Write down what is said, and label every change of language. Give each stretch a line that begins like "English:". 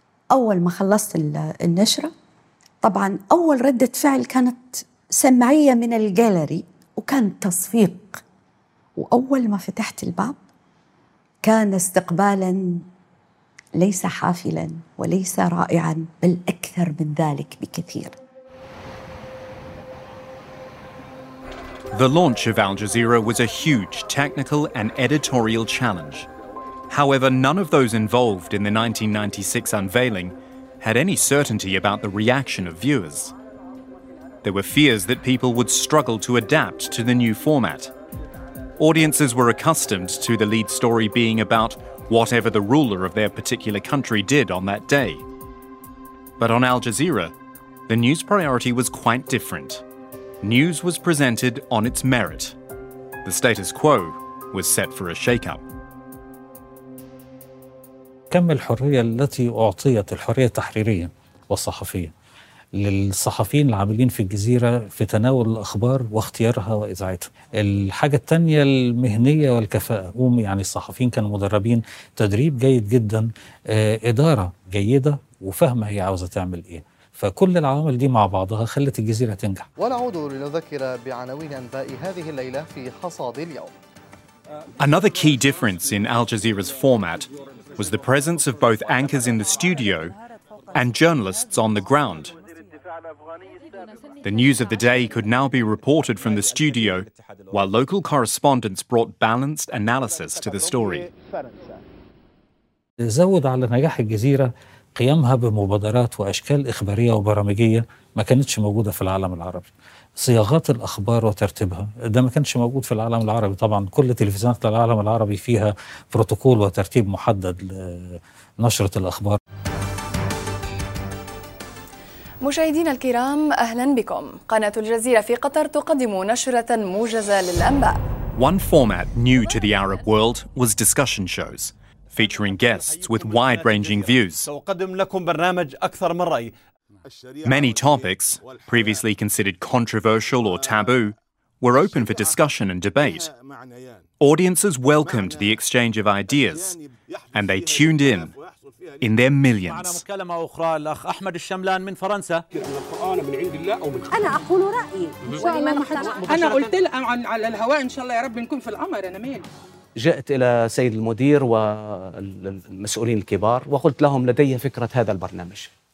Arabic: أول ما خلصت النشرة طبعاً أول ردة فعل كانت سمعية من الجاليري، وكان تصفيق، وأول ما فتحت الباب كان استقبالاً ليس حافلاً وليس رائعاً، بل أكثر من ذلك بكثير.
English: The launch of Al Jazeera was a huge technical and editorial challenge. However, none of those involved in the 1996 unveiling had any certainty about the reaction of viewers. There were fears that people would struggle to adapt to the new format. Audiences were accustomed to the lead story being about whatever the ruler of their particular country did on that day. But on Al Jazeera, the news priority was quite different. News was presented on its merit. The status quo was set for a shake-up.
Arabic: كم الحرية التي أعطيت، الحرية التحريرية والصحفية للصحفيين العاملين في الجزيرة في تناول الأخبار واختيارها وإذاعتها. الحاجة الثانية المهنية والكفاءة، يعني الصحفيين كانوا مدربين تدريب جيد جدا، إدارة جيدة وفهمة هي عاوزة تعمل إيه. فكل العوامل دي مع بعضها خلت الجزيرة تنجح. ونعود لنذكر بعناوين أنباء هذه الليلة في حصاد اليوم.
English: Another key difference in Al Jazeera's format was the presence of both anchors in the studio and journalists on the ground. The news of the day could now be reported from the studio, while local correspondents brought balanced analysis to the story.
Arabic: زود على نجاح الجزيرة قيامها بمبادرات وأشكال إخبارية وبرامجية ما كانتش موجودة في العالم العربي. صياغات الأخبار وترتيبها ده ما كانش موجود في العالم العربي. طبعا كل تلفزيونات العالم العربي فيها بروتوكول وترتيب محدد لنشرة الأخبار. مشاهدين الكرام، أهلا بكم. قناة الجزيرة في قطر تقدم نشرة موجزة للأنباء.
English: One format new to the Arab world was discussion shows featuring guests with wide-ranging views.
Arabic: سأقدم لكم برنامج أكثر من رأي.
English: Many topics, previously considered controversial or taboo, were open for discussion and debate. Audiences welcomed the exchange of ideas, and they tuned in in their millions.
Arabic: معنا مكالمة أخرى الأخ أحمد الشملان من فرنسا. أنا من عند الله أو من أنا أقول رأيي. أنا قلت على الهواء إن شاء الله يا رب نكون في الأمر أنا مين. جئت إلى سيد المدير والمسؤولين الكبار وقلت لهم لدي فكرة هذا البرنامج.